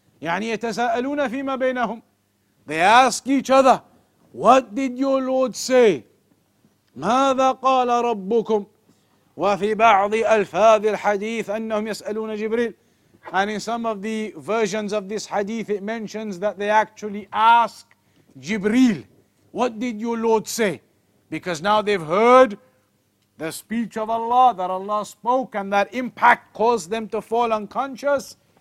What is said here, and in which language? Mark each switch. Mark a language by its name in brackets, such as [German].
[Arabic] يعني يتساءلون فيما بينهم. [English] They ask each other, what did your Lord say? [Arabic] ماذا قال ربكم؟ وفي بعض ألفاظ الحديث أنهم يسألون جبريل. [English] And in some of the versions of this hadith, it mentions that they actually ask جبريل, what did your Lord say? Because now they've heard the speech of Allah, that Allah spoke, and that impact caused them to fall unconscious.